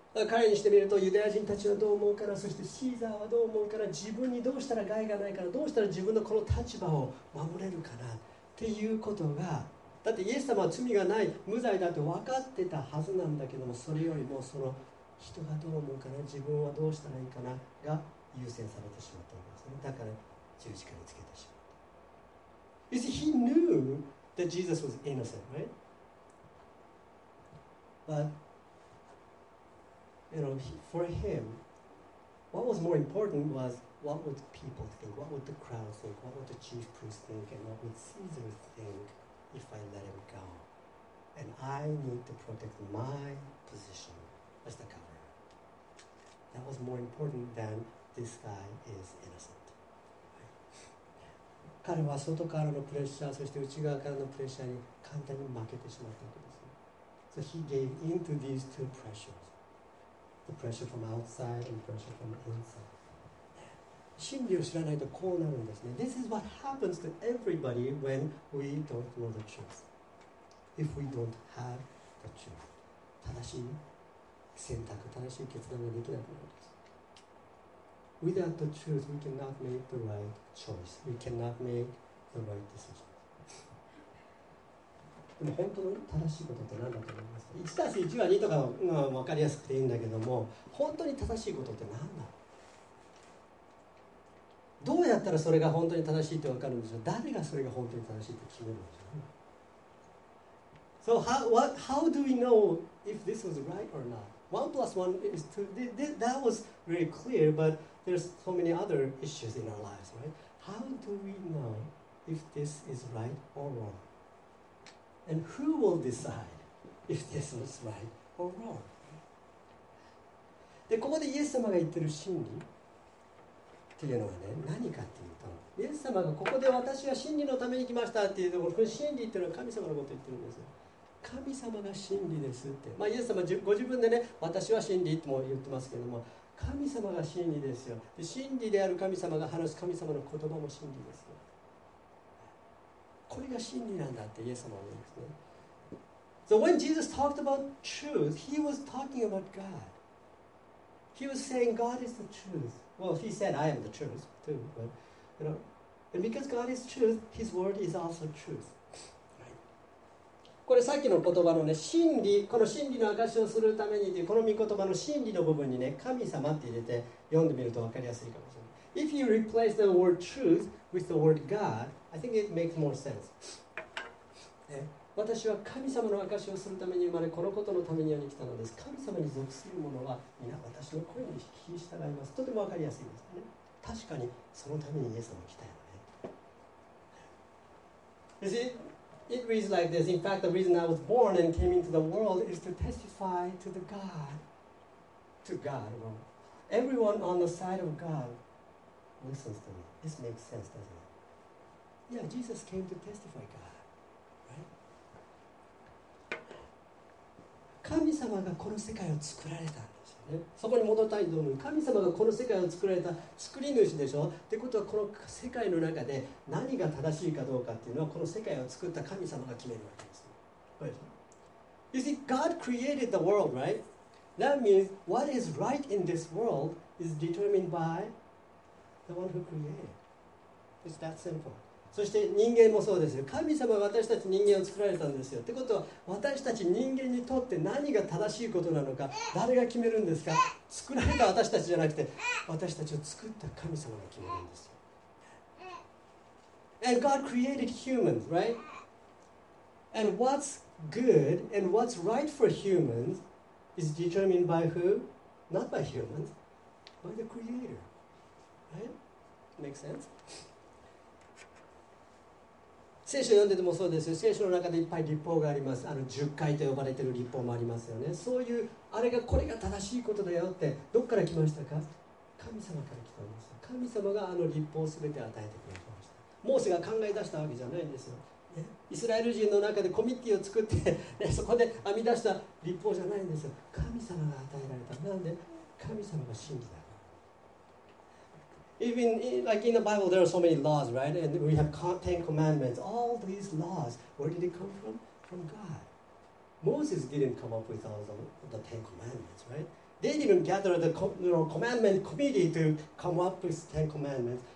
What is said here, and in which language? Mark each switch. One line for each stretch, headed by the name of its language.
Japanese: 彼にしてみると、ユダヤ人たちはどう思うかな、そしてシーザーはどう思うかな、自分にどうしたら害がないかな、どうしたら自分のこの立場を守れるかなっていうことが、だってイエス様は罪がない、無罪だって分かってたはずなんだけども、それよりもその人がどう思うかな、自分はどうしたらいいかなが優先されてしまったんですね。だから十字架につけてしまった。
English: You see, he knew that Jesus was innocent, right? But, you know, for him, what was more important was what would people think, what would the crowd think, what would the chief priest think, and what would Caesar think?If I let him go. And I need to protect my position as the governor. That was more important than this guy is innocent.
Japanese: 彼は外からのプレッシャー、そして内側からのプレッシャーに簡単に負けてしまったわけです。
English: So he gave in to these two pressures. The pressure from outside and pressure from inside.
Japanese: 真理を知らないとこうなるんですね。
English: This is what happens to everybody when we don't know the truth. If we don't have the truth.
Japanese: 正しい選択、正しい決断ができなくなるんです。
English: Without the truth, we cannot make the right choice. We cannot make the right decision.
Japanese: でも本当の正しいことって何だと思いますか ?1 たす1は2とかは、分かりやすくていいんだけども、本当に正しいことって何だどうやったらそれが本当に正しいって分かるんでしょう誰がそれが本当に正しいって決めるんでしょう
English: So how do we know if this was right or not? 1 plus 1 is 2. That was very clear, but there's so many other issues in our lives, right? How do we know if this is right or wrong? And who will decide if this was right or wrong?
Japanese: で、ここでイエス様が言ってる真理っていうのはね、何かっていうと、イエス様がここで私は真理のために来ましたっていうところ、この真理っていうのは神様のことを言ってるんです。神様が真理ですって。まあ、イエス様ご自分でね、私は真理っても言ってますけども、神様が真理ですよ。で、真理である神様が話す神様の言葉も真理ですよ。これが真理なんだってイエス様は言うんですね。
English: So when Jesus talked about truth, he was talking about God. He was saying God is the truth. Well, he said, I am the truth, too. But, you know, and because God is truth, his word is also truth.
Japanese: これさっきの言葉のね、真理、この真理の証をするためにっていう、この御言葉の真理の部分にね、神様って入れて読んでみると分かりやすいかもしれない。
English: If you replace the word truth with the word God, I think it makes more sense.
Japanese: 私は神様の証をするために生まれ、このことのために世に来たのです。神様に属するものは、皆私の声に聞き従います。とても分かりやすいですね。確かに、そのためにイエス様来たよね。
English: You see, it reads like this. In fact, the reason I was born and came into the world is to testify to the God, to God. Well, everyone on the side of God listens to me. This makes sense, doesn't it? Yeah, Jesus came to testify God.
Japanese: 神様がこの世界を作られたんですよね。そこに戻ったいと思う。神様がこの世界を作られた作り主でしょ。ってことはこの世界の中で何が正しいかどうかっていうのはこの世界を作った神様が決めるわけです。
English: You see, God created the world, right? That means what is right in this world is determined by the one who created. It's that simple.
Japanese: そして人間もそうですよ。神様は私たち人間を作られたんですよ。ってことは私たち人間にとって何が正しいことなのか、誰が決めるんですか。作られた私たちじゃなくて、私たちを作った神様が決めるんですよ。
English: And God created humans, right? And what's good and what's right for humans is determined by who? Not by humans, by the Creator. Right? Make sense?
Japanese: 聖書読んでてもそうですよ。聖書の中でいっぱい律法があります。あの十戒と呼ばれている律法もありますよね。そういうあれがこれが正しいことだよってどっから来ましたか？神様から来たんです。神様があの律法をすべて与えてくれました。モーセが考え出したわけじゃないんですよ。ね、イスラエル人の中でコミッティを作って、ね、そこで編み出した律法じゃないんですよ。神様が与えられた。なんで？神様が真理だ。
English: Even like in the Bible, there are so many laws, right? And we have Ten Commandments. All these laws, where did they come from? From God. Moses didn't come up with all the Ten Commandments, right? They didn't gather the commandment committee to come up with Ten Commandments.